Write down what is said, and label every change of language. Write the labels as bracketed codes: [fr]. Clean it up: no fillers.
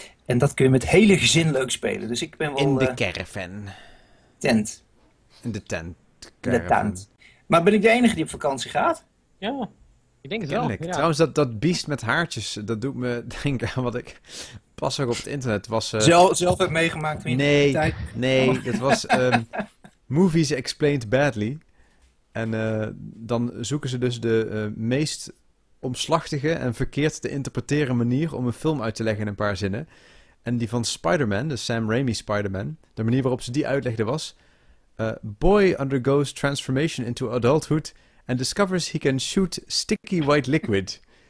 [nl] En dat kun je met hele gezin leuk spelen. Dus ik ben wel... In de caravan. Tent. In de tent. Caravan. De tent. Maar ben ik de enige die op vakantie gaat? Ja, ik denk het wel. Ja. Trouwens, dat beest met haartjes, dat doet me denken aan wat ik pas ook op het internet was... Zelf heb meegemaakt in nee, de tijd. Nee, dat was Movies Explained Badly. En dan zoeken ze dus de meest omslachtige en verkeerd te interpreteren manier om een film uit te leggen in een paar zinnen. En die van Spider-Man, de Sam Raimi Spider-Man, de manier waarop ze die uitlegde was... [en] Boy undergoes transformation into adulthood and discovers he can shoot sticky white liquid.